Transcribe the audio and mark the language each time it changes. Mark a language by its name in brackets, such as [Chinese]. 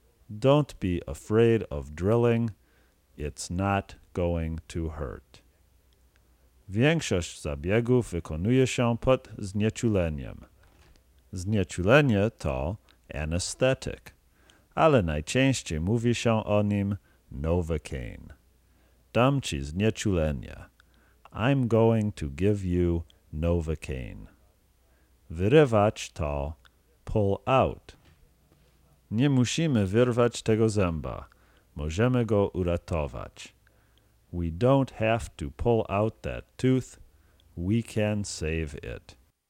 [English] Don't be afraid of drilling. It's not going to hurt. [Polish] Większość zabiegów wykonuje się pod znieczuleniem. Znieczulenie to anesthetic, ale najczęściej mówi się o nim novocaine. Dam ci znieczulenie. [English] I'm going to give you novocaine. [Polish] Wyrywać to pull out. Nie musimy wyrwać tego zęba. Możemy go uratować. [English] We don't have to pull out that tooth. We can save it.